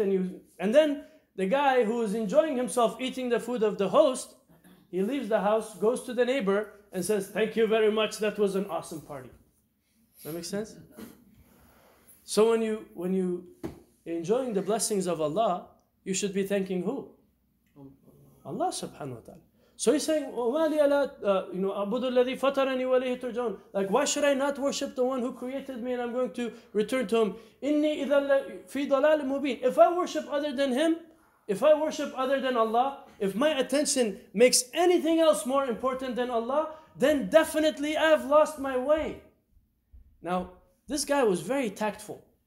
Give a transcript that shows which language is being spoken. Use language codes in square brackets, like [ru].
[en] And then the guy who is enjoying himself eating the food of the host, he leaves the house, goes to the neighbor and says, thank you very much. That was an awesome party. Does that make sense? So when you enjoying the blessings of Allah, you should be thanking who? Allah subhanahu wa ta'ala. So he's saying, [ar] وَمَا لِيَ لَا أَعْبُدُ الَّذِي فَطَرَنِي وَلَيْهِ تُرْجَعُونَ. [en] Like, why should I not worship the one who created me and I'm going to return to Him? [ar] إِنِّي إِذَا فِي ضَلَالٍ مُبِينٍ. [en] If I worship other than Him, if I worship other than Allah, if my attention makes anything else more important than Allah, then definitely I have lost my way. Now, this guy was very tactful.